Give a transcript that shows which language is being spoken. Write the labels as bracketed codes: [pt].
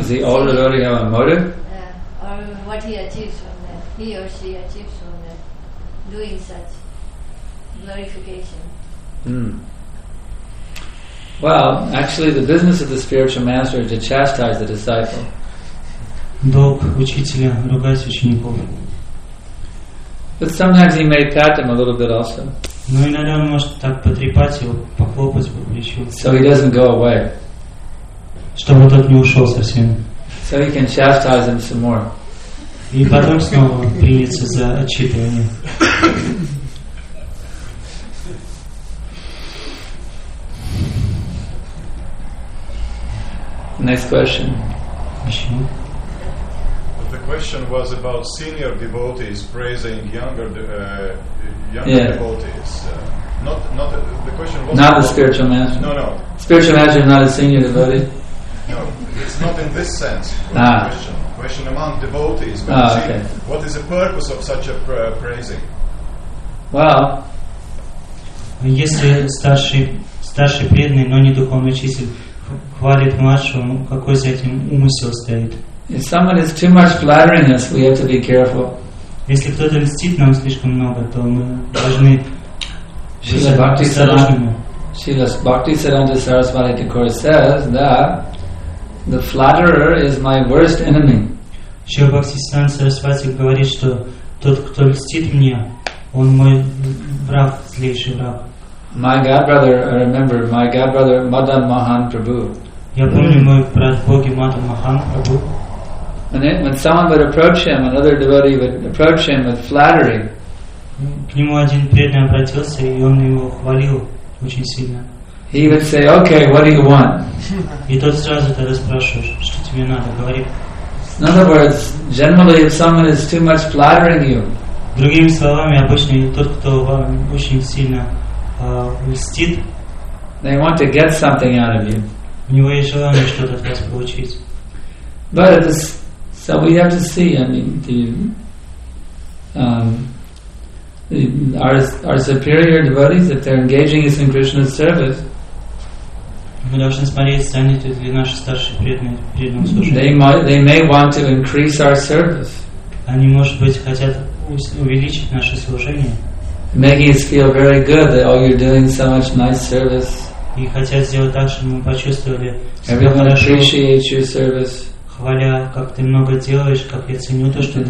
[en] Does the older devotee have a motive? Or what he achieves from that, he or she achieves from that, doing such glorification. Well, actually, the business of the spiritual master is to chastise the disciple. [ru] Долг учителя ругать учеников. [en] But sometimes he may pat him a little bit also. [ru] Но иногда он может так потрепать его, похлопать по плечу. [en] So he doesn't go away. [ru] Чтобы тот не ушел совсем. [en] So he can chastise him some more. [ru] И потом снова приняться за отчитывание. [en] Next question. But the question was about senior devotees praising younger devotees. Not the spiritual master. No. Spiritual master is not a senior devotee. No, it's not in this sense. Question among devotees. What is the purpose of such a praising? Well, [ru] если старший преданный, но не духовный учитель, хвалит младшего, какой за этим умысел стоит? [en] If someone is too much flattering us, we have to be careful. [ru] Если кто-то льстит нам слишком много, то мы должны [en] Srila Bhaktisiddhanta Sarasvati Thakura says that the flatterer is my worst enemy. [ru] Шрила Бхактисиддханта Сарасвати говорит, что тот, кто льстит мне, он мой враг, злейший враг. [en] My godbrother Madan Mohan Prabhu. [ru] Я помню мой брат Боги Мадан Махан Прабху. [en] And then when someone would approach him, another devotee would approach him with flattery. [ru] К нему один преданный обратился, и он его хвалил очень сильно. [en] He would say, "Okay, what do you want?" [ru] И тот сразу тогда спрашивает, что тебе надо, говорит. [en] In other words, generally, if someone is too much flattering you. [ru] Другими словами, обычно тот, кто вам очень сильно льстит, [en] they want to get something out of you. [ru] У него есть желание что-то от вас получить. [en] But it is, so we have to see. I mean, our superior devotees, if they're engaging us in Krishna's service, they may want to increase our service. [ru] Они, может быть, хотят увеличить наше служение. [en] Making us feel very good that oh, you're doing so much nice service. [ru] И хотят сделать так, чтобы мы почувствовали. [en] Everyone appreciates your service. [ru] Хваля, как ты много делаешь, как я ценю то, что ты